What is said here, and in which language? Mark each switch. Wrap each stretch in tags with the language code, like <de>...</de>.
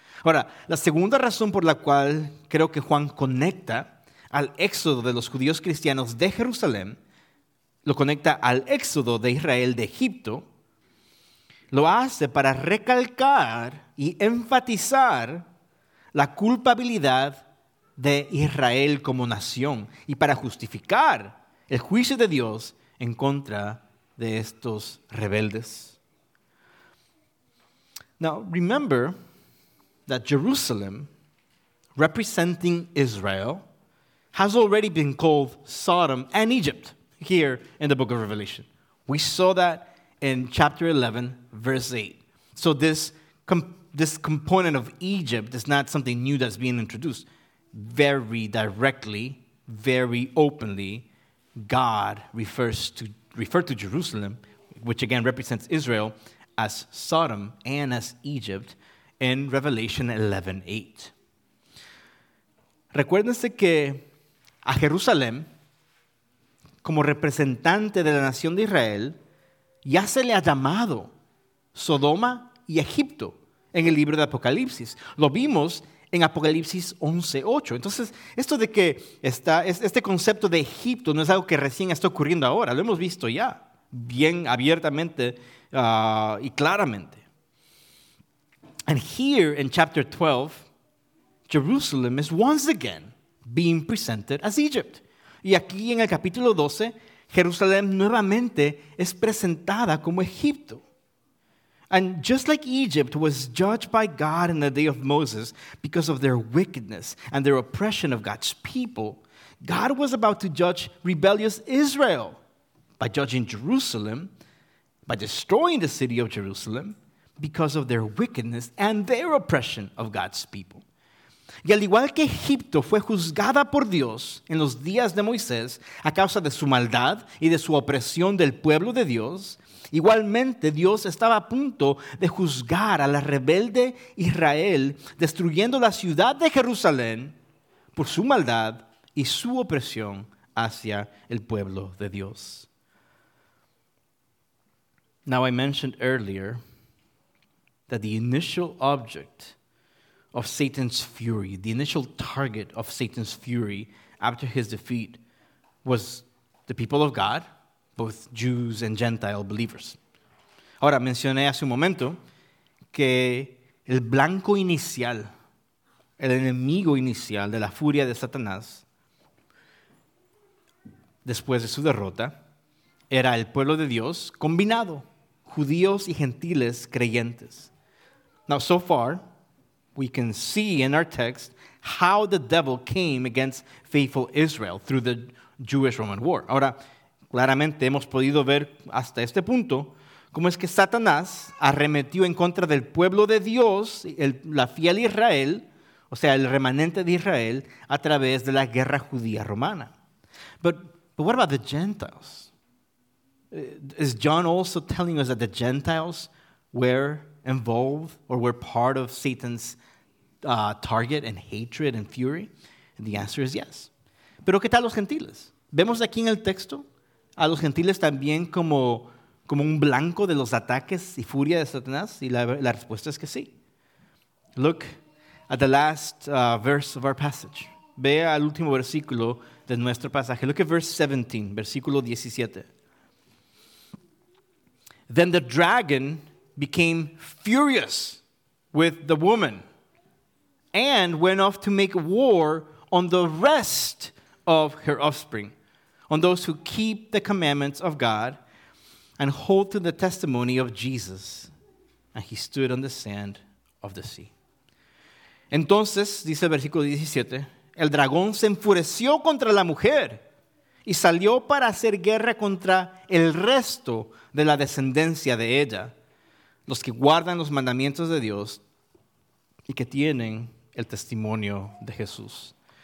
<es>Ahora, la segunda razón por la cual creo que Juan conecta al éxodo de los judíos cristianos de Jerusalén, lo conecta al éxodo de Israel de Egipto, lo hace para recalcar y enfatizar la culpabilidad de Israel como nación y para justificar el juicio de Dios en contra de estos rebeldes.</es> <en>Now, remember that Jerusalem, representing Israel, has already been called Sodom and Egypt here in the book of Revelation. We saw that in chapter 11, verse 8. So this component of Egypt is not something new that's being introduced. Very directly, very openly, God referred to Jerusalem, which again represents Israel, as Sodom and as Egypt in Revelation 11, 8.</en> <es>Recuérdense que a Jerusalén, como representante de la nación de Israel, ya se le ha llamado Sodoma y Egipto en el libro de Apocalipsis. Lo vimos en Apocalipsis 11, 8. Entonces, esto de que este concepto de Egipto no es algo que recién está ocurriendo ahora, lo hemos visto ya bien abiertamente y claramente.</es> <en>And here in chapter 12, Jerusalem is once again being presented as Egypt.</en> <es>Y aquí en el capítulo 12, Jerusalén nuevamente es presentada como Egipto.</es> <en>And just like Egypt was judged by God in the day of Moses because of their wickedness and their oppression of God's people, God was about to judge rebellious Israel by judging Jerusalem, by destroying the city of Jerusalem because of their wickedness and their oppression of God's people.</en> <es>Y al igual que Egipto fue juzgada por Dios en los días de Moisés a causa de su maldad y de su opresión del pueblo de Dios, igualmente Dios estaba a punto de juzgar a la rebelde Israel destruyendo la ciudad de Jerusalén por su maldad y su opresión hacia el pueblo de Dios.</es> <en>Now I mentioned earlier that the initial object of Satan's fury, the initial target of Satan's fury after his defeat was the people of God, both Jews and Gentile believers.</en> <es>Ahora, mencioné hace un momento que el blanco inicial, el enemigo inicial de la furia de Satanás, después de su derrota, era el pueblo de Dios combinado, judíos y gentiles creyentes.</es> <en>Now, so far, we can see in our text how the devil came against faithful Israel through the Jewish-Roman War.</en> <es>Ahora, claramente hemos podido ver hasta este punto cómo es que Satanás arremetió en contra del pueblo de Dios, la fiel Israel, o sea, el remanente de Israel, a través de la guerra judía romana.</es> <en>But what about the Gentiles? Is John also telling us that the Gentiles were involved or were part of Satan's target and hatred and fury? And the answer is yes.</en> <es>Pero ¿qué tal los gentiles? Vemos aquí en el texto a los gentiles también como un blanco de los ataques y furia de Satanás, y la respuesta es que sí.</es> <en>Look at the last verse of our passage.</en> <es>Ve al último versículo de nuestro pasaje.</es> <en>Look at verse 17,</en> <es>versículo 17.</es> <en>Then the dragon became furious with the woman and went off to make war on the rest of her offspring, on those who keep the commandments of God and hold to the testimony of Jesus. And he stood on the sand of the sea.</en> <es>Entonces, dice el versículo 17, el dragón se enfureció contra la mujer y salió para hacer guerra contra el resto de la descendencia de ella, los que guardan los mandamientos de Dios y que tienen el testimonio de Jesús.</es>